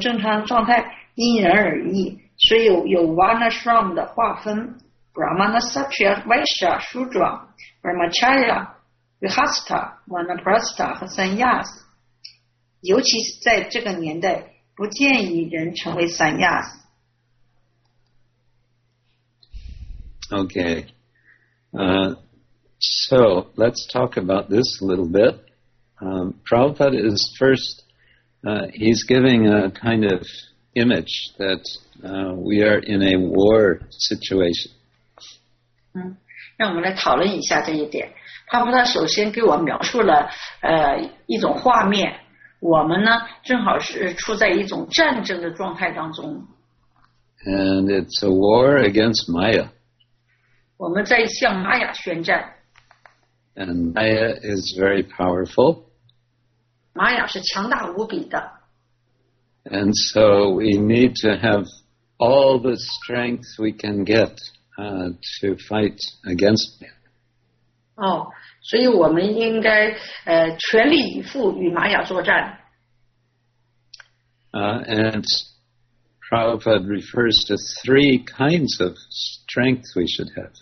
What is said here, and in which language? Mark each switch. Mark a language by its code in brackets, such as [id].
[zh] Krishna直接运动已经实际地向迷幻能量宣战，在这迷幻能量中，一切生物都在错误的文明知识中腐化堕落。Krishna直接运动中的战士们应该总是具有强健的体魄和高昂的斗志。为了保持强健，他们应该把自己放在一种正常的生命状态中，处在哪一种正常状态因人而异。所以有Varna Shram的划分，Brahmana Satriya Vaishya Shudra Brahmacharya Vihastha Vanaprastha和Sanyas，尤其在这个年代，不建议人成为Sanyas。 [en] Okay, so let's talk about this a little bit. Prabhupada is first, he's giving a kind of image that we are in a war situation. [zh] 让我们来讨论一下这一点。帕帕特首先给我描述了一种画面，我们呢正好是处在一种战争的状态当中。 [en] And it's a war against Maya. [zh] 我们在向玛雅宣战。 [en] And Maya is very powerful. [zh] 玛雅是强大无比的。 [en] And so we need to have all the strength we can get, to fight against Maya. [zh] 哦，所以我们应该全力以赴与玛雅作战。 [en] And Prabhupada refers to three kinds of strength we should have.